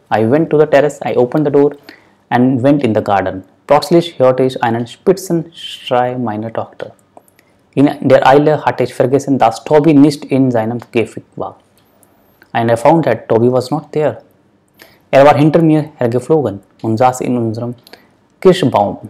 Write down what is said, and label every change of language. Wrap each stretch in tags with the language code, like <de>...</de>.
<en>I went to the terrace, I opened the door and went in the garden.</en> <de>Plötzlich hörte ich einen Spitzen schrei meiner Tochter. In der Eile hatte ich vergessen, dass Toby nicht in seinem Käfig war.</de> <en>And I found that Toby was not there.</en> <de>War hinter mir hergeflogen und saß in unserem Kirschbaum.</de>